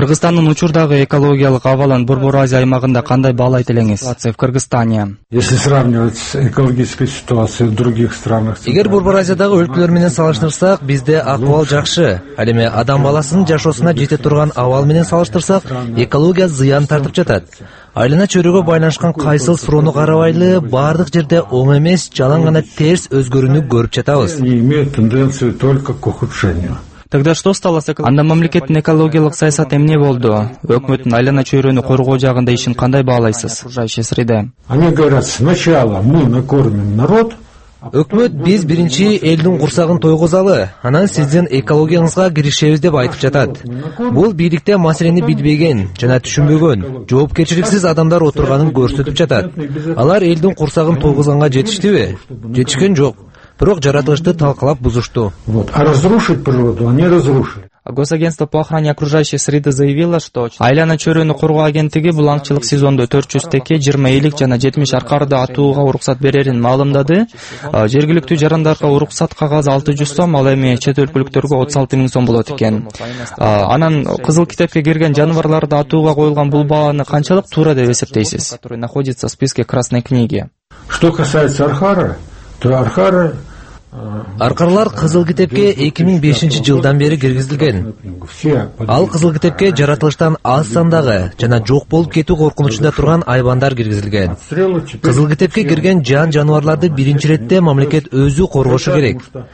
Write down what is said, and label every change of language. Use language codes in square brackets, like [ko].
[ky] Кыргызстандын учурдагы экологиялык абалын Борбор Азия аймагында кандай баалайт элеңиз? [ru] Ситуация в Кыргызстане. Если сравнивать с экологической ситуацией в других странах. [ky] Эгер Борбор Азиядагы өлкөлөр менен салыштырсак, бизде акыбал жакшы. Ал эми адам баласынын жашоосуна жете турган абал менен салыштырсак, экология зыян тартып жатат. Айлана чөйрөгө байланышкан кайсыл суроону карабайлы, бардык жерде оң эмес, жалаң гана терс өзгөрүүнү көрүп жатабыз. [ru] Тенденция только к ухудшению. Тогда что стало с экологией? [ky] Анда мамлекеттин экологиялык саясаты эмне болду? Өкмөттүн айлана чөйрөнү коргоо жагында ишин кандай баалайсыз? [ru] Окружающая среда. Они говорят, сначала мы накормим народ. [ky] Өкмөт биз биринчи элдин курсагын тойгузалы, анан сиздин экологияңызга киришебиз деп айтып жатат. Бул бийликте маселени билбеген жана түшүнбөгөн, жоопкерчиликсиз адамдар отурганын көрсөтүп жатат. Алар элдин курсагын тойгузганга жетиштиби? Жетишкен жок. Бирок жаратылышты талкалап бузушту. [ru] Вот. А разрушить природу, а не разрушить. Госагентство по охране окружающей среды заявило, что [ky] Айлана чөйрөнү коргоо агенттиги булаңчылык сезондо 400 теке, 20 ээлик жана 70 аркарды атууга уруксат берерин маалымдады. Жергиликтүү жарандарга уруксат кагазы 600 сом, ал эми чет өлкөлүктөргө 36 000 сом болот экен. Анан кызыл китепке кирген жаныбарларды атууга коюлган бул бааны канчалык туура деп эсептейсиз? [ru] Который находится в списке Красной книги. Что касается архара, то архара... [ky] Аркарлар кызыл китепке 2005 жылдан бери киргизилген. Ал кызыл китепке жаратылыштан аз сандагы жана жок болуп кетүү коркунучунда турган айбандар киргизилген. Кызыл китепке кирген жан жаныбарларды биринчи иретте мамлекет өзү коргошу керек.